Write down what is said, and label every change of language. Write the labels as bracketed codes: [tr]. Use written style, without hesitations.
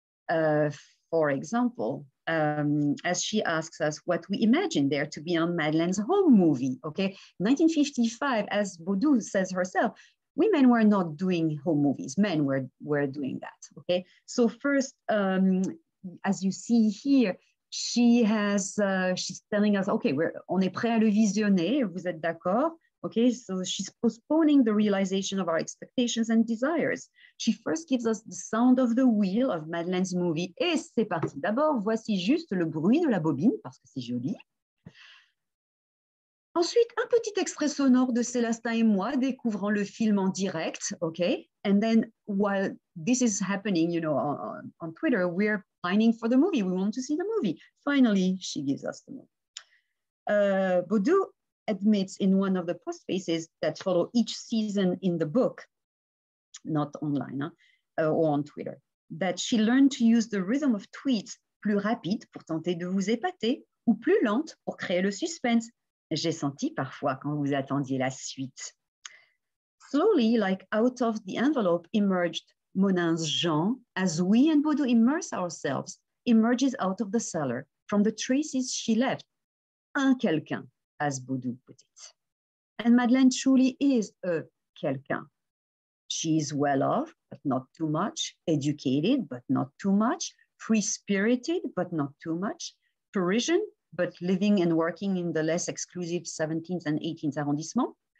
[en] For example, as she asks us what we imagine there to be on Madeleine's home movie, okay? 1955, as Baudou says herself, women were not doing home movies, men were doing that, okay? So first, as you see here, She's telling us, okay, [fr] on est prêt à le visionner, vous êtes d'accord? [en] Okay, so she's postponing the realization of our expectations and desires. She first gives us the sound of the wheel of Madeleine's movie. [fr] Et c'est parti. D'abord, voici juste le bruit de la bobine, parce que c'est joli. Ensuite, un petit extrait sonore de Célestin et moi découvrant le film en direct. [en] Okay, and then while this is happening, you know, on Twitter, we're pining for the movie. We want to see the movie. Finally, she gives us the movie. Baudou admits in one of the postfaces that follow each season in the book, not online, or on Twitter, that she learned to use the rhythm of tweets [fr] plus rapide pour tenter de vous épater ou plus lente pour créer le suspense. J'ai senti parfois quand vous attendiez la suite. [en] Slowly, like out of the envelope, emerged Monin's Jean, as we and Baudou immerse ourselves, emerges out of the cellar, from the traces she left, un quelqu'un, as Baudou put it. And Madeleine truly is a quelqu'un. She is well off, but not too much, educated, but not too much, free-spirited, but not too much, Parisian, but living and working in the less exclusive 17th and 18th arrondissement.